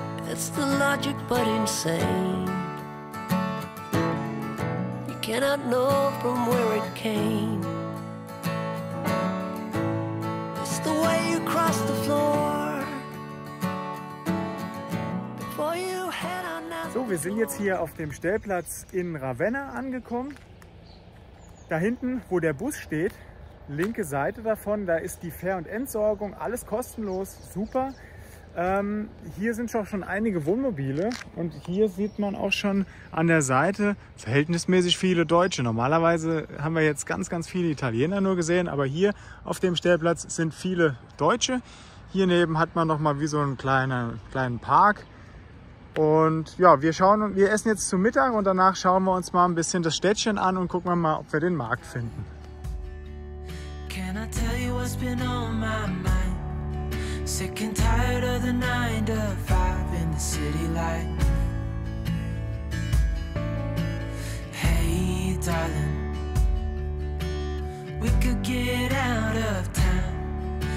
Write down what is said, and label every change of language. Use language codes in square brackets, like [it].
[en] It's the logic but insane. You cannot know from where it came. It's the way you cross the floor before you head on out. [de] So, wir sind jetzt hier auf dem Stellplatz in Ravenna angekommen. Da hinten, wo der Bus steht, linke Seite davon, da ist die Fähr- und Entsorgung, alles kostenlos, super. Hier sind auch schon einige Wohnmobile und hier sieht man auch schon an der Seite verhältnismäßig viele Deutsche. Normalerweise haben wir jetzt ganz, ganz viele Italiener nur gesehen, aber hier auf dem Stellplatz sind viele Deutsche. Hier neben hat man nochmal wie so einen kleinen Park. Und ja, wir essen jetzt zu Mittag und danach schauen wir uns mal ein bisschen das Städtchen an und gucken wir mal, ob wir den Markt finden. [en] Can I tell you what's been on my mind? Sick and tired of the 9-to-5 in the city life. Hey darling, we could get out of town.